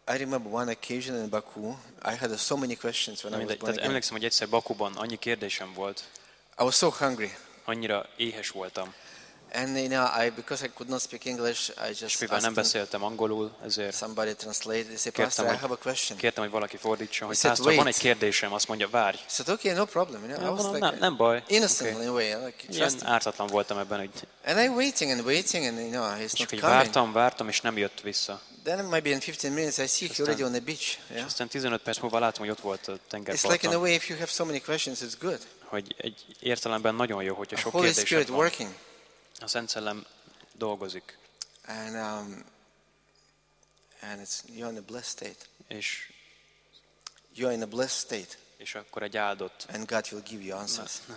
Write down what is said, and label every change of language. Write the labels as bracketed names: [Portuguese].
[English] I remember one occasion in Baku. I had so many questions when I was born again. [Hungarian] Emlékszem, hogy egyszer Bakuban annyi kérdésem volt. [English] I was so hungry. [Hungarian] Annyira éhes voltam. [English] And you know, because I could not speak English, I just asked. [Hungarian] Nem beszéltem angolul, ezért. [English] Somebody translated. They said, "Pastor, I have a question." [Hungarian] Kértem, hogy valaki fordítson, hogy pastor, van egy kérdésem, azt mondja, várj. [English] Said, "Okay, no problem." You know, I was like, [Hungarian] nem baj. [English] Innocently, okay. [Hungarian] Ilyen ártatlan voltam ebben, hogy. [English] And I waiting, and you know, he's not coming. [Hungarian] Vártam, és nem jött vissza. [English] Then maybe in 15 minutes I see he's already on the beach. [Hungarian] Aztán 15 perc múlva látom, hogy ott volt a tengerparton. [English] It's like in a way, if you have so many questions, it's good. [Hungarian] Hogy egy értelemben nagyon jó, hogyha sok kérdésed van. [English] Holy Spirit working. [Hungarian] A Szent Szellem dolgozik. [English] And it's you're in a blessed state. [Hungarian] És [English] you're in a blessed state. [Hungarian] És akkor egy áldott. [English] And God will give you answers.